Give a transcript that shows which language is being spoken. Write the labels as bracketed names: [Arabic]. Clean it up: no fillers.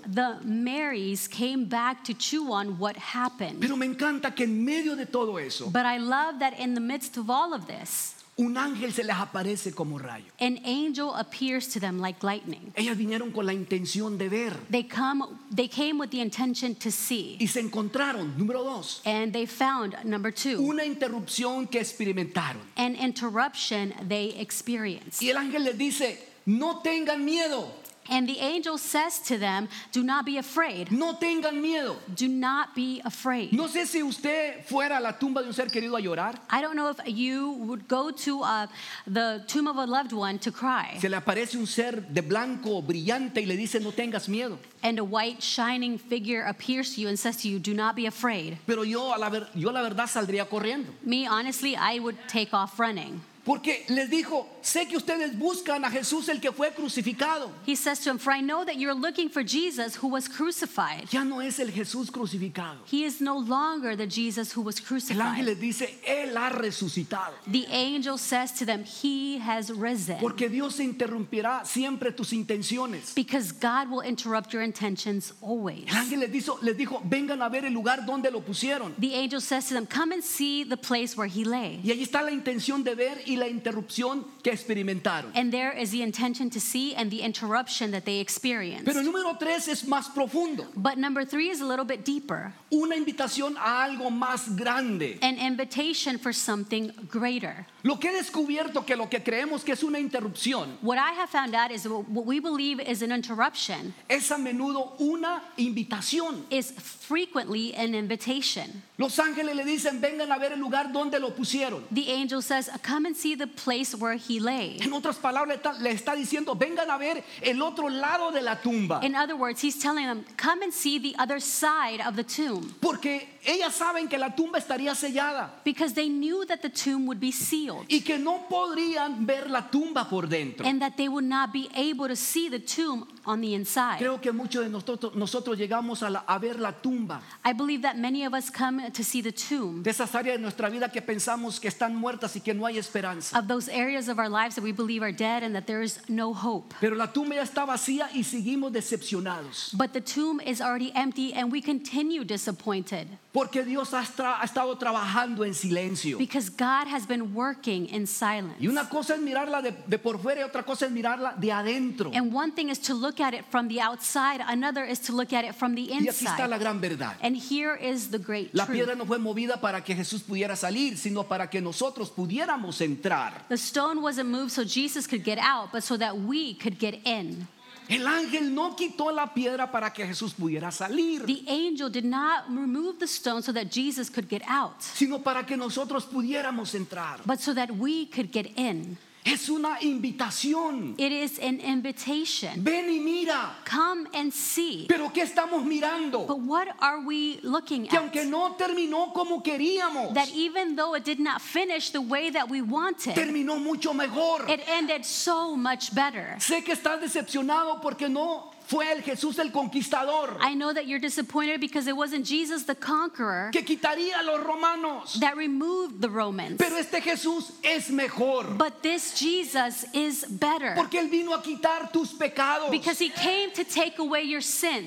[English] The Marys came back to chew on what happened. [Spanish] Pero me encanta que en medio de todo eso, [English] but I love that in the midst of all of this, [Spanish] un ángel se les aparece como rayo. [English] An angel appears to them like lightning. [Spanish] Ellas vinieron con la intención de ver. [English] They came with the intention to see. [Spanish] Y se encontraron, número dos. [English] And they found, number two. [Spanish] Una interrupción que experimentaron. [English] An interruption they experienced. [Spanish] Y el ángel les dice, no tengan miedo. [English] And the angel says to them, do not be afraid. [Spanish] No tengan miedo. [English] Do not be afraid. [Spanish] No sé si usted fuera a la tumba de un ser querido a llorar. [English] I don't know if you would go to the tomb of a loved one to cry. [Spanish] Se le aparece un ser de blanco brillante y le dice, no tengas miedo. [English] And a white shining figure appears to you and says to you, do not be afraid. [Spanish] Pero yo la verdad saldría corriendo. [English] Me, honestly, I would take off running. [Spanish] Porque les dijo, sé que ustedes buscan a Jesús el que fue crucificado. [English] He says to him, for I know that you're looking for Jesus who was crucified. [Spanish] Ya no es el Jesús crucificado. [English] He is no longer the Jesus who was crucified. [Spanish] El ángel les dice, él ha resucitado. [English] The angel says to them, he has risen. [Spanish] Porque Dios interrumpirá siempre tus intenciones. [English] Because God will interrupt your intentions always. [Spanish] El ángel les dijo, vengan a ver el lugar donde lo pusieron. [English] The angel says to them, come and see the place where he lay. [Spanish] Y allí está la intención de ver y la interrupción que experimentaron. [English] And there is the intention to see and the interruption that they experienced. [Spanish] Pero el número tres es más profundo. [English] But number three is a little bit deeper. [Spanish] Una invitación a algo más grande. [English] An invitation for something greater. [Spanish] Lo que he descubierto que lo que creemos que es una interrupción. [English] What I have found out is what we believe is an interruption. [Spanish] Es a menudo una invitación. [English] Is frequently an invitation. [Spanish] Los ángeles le dicen, vengan a ver el lugar donde lo pusieron. [English] The angel says, come and see the place where he lay. [Spanish] En otras palabras, le está diciendo, vengan a ver el otro lado de la tumba. [English] In other words, he's telling them, come and see the other side of the tomb. [Spanish] Porque ellas saben que la tumba estaría sellada. [English] Because they knew that the tomb would be sealed. [Spanish] Y que no podrían ver la tumba por dentro. [English] And that they would not be able to see the tomb on the inside. [Spanish] Creo que muchos de nosotros llegamos a ver la tumba. [English] I believe that many of us come to see the tomb. [Spanish] De esas áreas de nuestra vida que pensamos que están muertas y que no hay esperanza. [English] Of those areas of our lives that we believe are dead and that there is no hope. [Spanish] Pero la tumba ya está vacía y seguimos decepcionados. [English] But the tomb is already empty and we continue disappointed. [Spanish] Porque Dios ha estado trabajando en silencio. [English] Because God has been working in silence. [Spanish] Y una cosa es mirarla de por fuera y otra cosa es mirarla de adentro. [English] And one thing is to look at it from the outside, another is to look at it from the inside. [Spanish] Y aquí está la gran verdad. [English] And here is the great truth. [Spanish] La piedra no fue movida para que Jesús pudiera salir, sino para que nosotros pudiéramos entrar. [English] The stone wasn't moved so Jesus could get out, but so that we could get in. [Spanish] El ángel no quitó la piedra para que Jesús pudiera salir. [English] The angel did not remove the stone so that Jesus could get out. [Spanish] Sino para que nosotros pudiéramos entrar. [English] But so that we could get in. [Spanish] Es una invitación. [English] It is an invitation. [Spanish] Ven y mira. [English] Come and see. [Spanish] ¿Pero qué estamos mirando? [English] But what are we looking at? [Spanish] Que aunque no terminó como queríamos. [English] That even though it did not finish the way that we wanted. [Spanish] Terminó mucho mejor. [English] It ended so much better. [Spanish] Sé que estás decepcionado porque no fue el Jesús el conquistador. [English] I know that you're disappointed because it wasn't Jesus the conqueror [Spanish] que quitaría a los romanos. [English] That removed the Romans. [Spanish] Pero este Jesús es mejor. [English] But this Jesus is better. [Spanish] Porque él vino a quitar tus pecados. [English] Because he came to take away your sins.